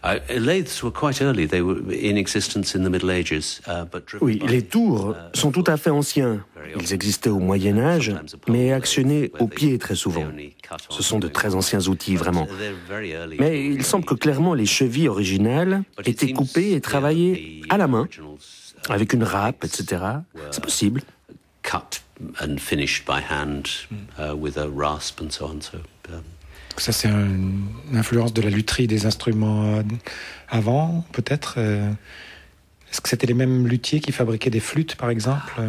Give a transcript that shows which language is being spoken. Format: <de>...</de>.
<en>Lathes were quite early. They were in existence in the Middle Ages.</en> <fr>Oui, les tours sont tout à fait anciens. Ils existaient au Moyen Âge, mais actionnés au pied très souvent. Ce sont de très anciens outils, vraiment. Mais il semble que clairement les chevilles originales étaient coupées et travaillées à la main. Avec une râpe, etc. C'est possible.</fr> <en>Cut and finished by hand with a rasp and so on. So,</en> <fr>ça, c'est une influence de la lutherie des instruments avant, peut-être. Est-ce que c'était les mêmes luthiers qui fabriquaient des flûtes, par exemple?</fr>